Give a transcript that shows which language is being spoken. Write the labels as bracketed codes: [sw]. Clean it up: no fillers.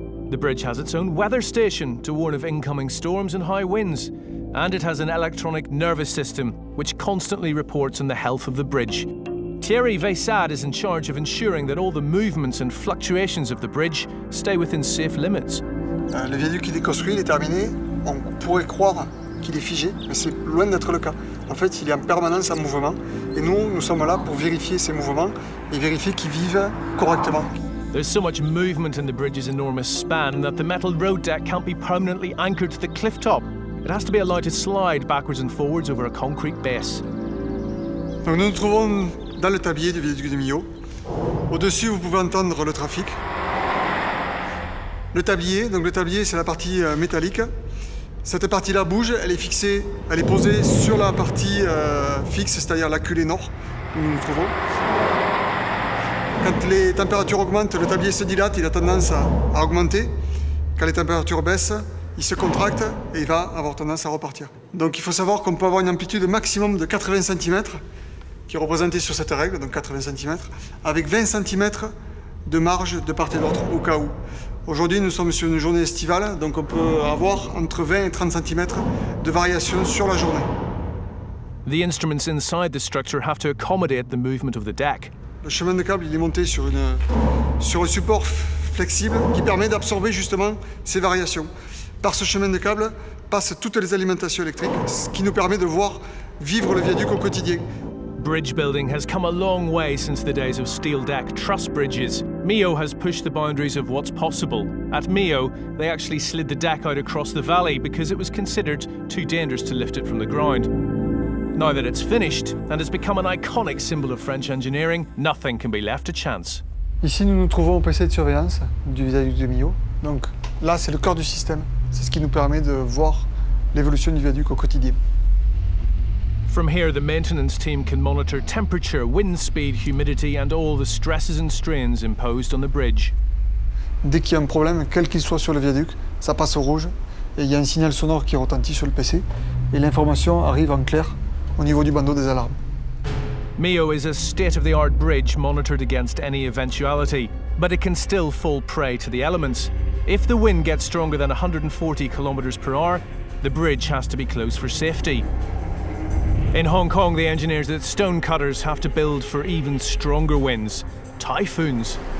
[en] The bridge has its own weather station to warn of incoming storms and high winds, and it has an electronic nervous system which constantly reports on the health of the bridge. Thierry Vaissad is in charge of ensuring that all the movements and fluctuations of the bridge stay within safe limits. [fr] Le viaduc il est construit, il est terminé. On pourrait croire qu'il est figé, mais c'est loin d'être le cas. En fait, il est en permanence en mouvement, et nous sommes là pour vérifier ces mouvements et vérifier qu'ils vivent correctement. [en] There's so much movement in the bridge's enormous span that the metal road deck can't be permanently anchored to the cliff top. It has to be allowed to slide backwards and forwards over a concrete base. [fr] Donc nous nous trouvons dans le tablier du viaduc de Millau. Au-dessus, vous pouvez entendre le trafic. Le tablier, c'est la partie métallique. Cette partie-là bouge, elle est fixée, elle est posée sur la partie fixe, c'est-à-dire la culée nord, où nous nous trouvons. Quand les températures augmentent, le tablier se dilate, il a tendance à augmenter. Quand les températures baissent, il se contracte et il va avoir tendance à repartir. Donc il faut savoir qu'on peut avoir une amplitude maximum de 80 cm, qui est représentée sur cette règle, donc 80 cm, avec 20 cm de marge de part et d'autre, au cas où. Aujourd'hui, nous sommes sur une journée estivale, donc on peut avoir entre 20 et 30 cm de variation sur la journée. [en] The instruments inside the structure have to accommodate the movement of the deck. [fr] Le chemin de câble, il est monté sur un support flexible qui permet d'absorber justement ces variations. Par ce chemin de câble passent toutes les alimentations électriques, ce qui nous permet de voir vivre le viaduc au quotidien. [en] Bridge building has come a long way since the days of steel deck truss bridges. Mayo has pushed the boundaries of what's possible. At Mayo, they actually slid the deck out across the valley because it was considered too dangerous to lift it from the ground. Now that it's finished and has become an iconic symbol of French engineering, nothing can be left to chance. [fr] Ici, nous nous trouvons au PC de surveillance du viaduc de Millau. Donc là, c'est le cœur du système. C'est ce qui nous permet de voir l'évolution du viaduc au quotidien. [en] From here, the maintenance team can monitor temperature, wind speed, humidity, and all the stresses and strains imposed on the bridge. [fr] Dès qu'il y a un problème, quel qu'il soit sur le viaduc, ça passe au rouge et il y a un signal sonore qui retentit sur le PC et l'information arrive en clair au niveau du bandeau des alarmes. [en] Mayo is a state-of-the-art bridge monitored against any eventuality, but it can still fall prey to the elements. If the wind gets stronger than 140 kilometers per hour, the bridge has to be closed for safety. In Hong Kong, the engineers at Stonecutters have to build for even stronger winds, typhoons.